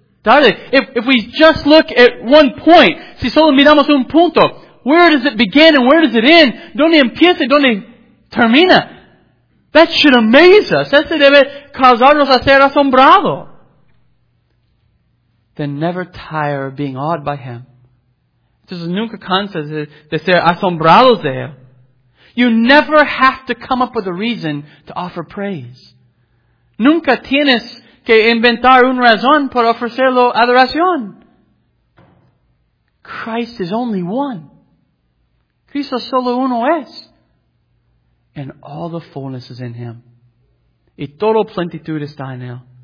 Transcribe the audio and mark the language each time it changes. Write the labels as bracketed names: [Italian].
[English] If we just look at one point, [Spanish] si solo miramos un punto, [English] where does it begin and where does it end? [Spanish] ¿Dónde empieza y dónde termina? [English] That should amaze us. [Spanish] Eso debe causarnos a ser asombrado. [English] Then never tire of being awed by Him. [Spanish] Entonces nunca cansas de ser asombrados de Él. [English] You never have to come up with a reason to offer praise. [Spanish] Nunca tienes que inventar una razón para ofrecerlo adoración. [English] Christ is only one. [Spanish] Cristo solo uno es. [English] And all the fullness is in Him. [Spanish] Y toda plenitud está en Él.